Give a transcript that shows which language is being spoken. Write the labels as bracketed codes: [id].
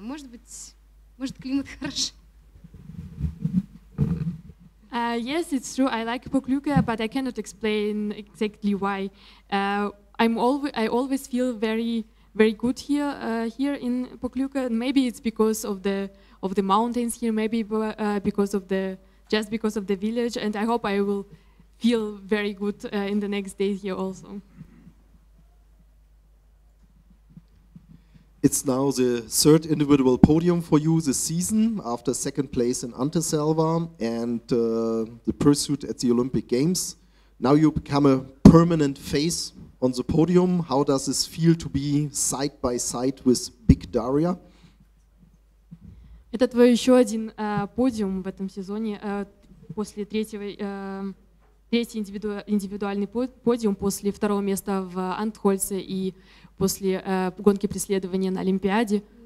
[ru] Может быть, климат хороший. [en] Yes, it's true. I like Pokljuka, but I cannot explain exactly why. I always feel very, very good here, here in Pokljuka. Maybe it's because of the mountains here. Maybe because of the because of the village. And I hope I will feel very good in the next days here also. It's now the third individual podium for you this season after second place in Anterselva and the pursuit at the Olympic Games. Now you become a permanent face on the podium. How does this feel to be side by side with Big Daria? [ru] Это твой еще один подиум в этом сезоне после третьего третий индивидуальный подиум после второго места в Антхольце и после гонки преследования на Олимпиаде.